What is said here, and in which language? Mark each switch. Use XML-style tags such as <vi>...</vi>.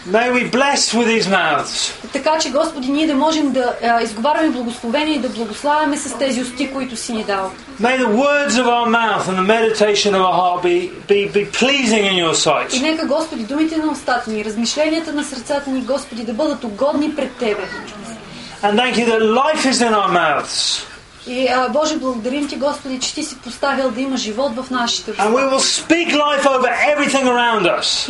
<en>May we bless with these mouths.</en> <bg>Така че, Господи, ние да можем да изговаряме благословение и да благославяме с тези усти, които си ни дал.</bg> <en>May the words of our mouth and the meditation of our heart be pleasing in your sight.</en> <bg>И нека, Господи, думите на устата ни, размишленията на сърцата ни, Господи, да бъдат угодни пред Тебе.</bg> <en>And thank you that life is in our mouths.</en> <bg>И Боже, благодарим ти, Господи, че ти си поставил да има живот в нашите уста.</bg> <en>And we will speak life over everything around us.</en>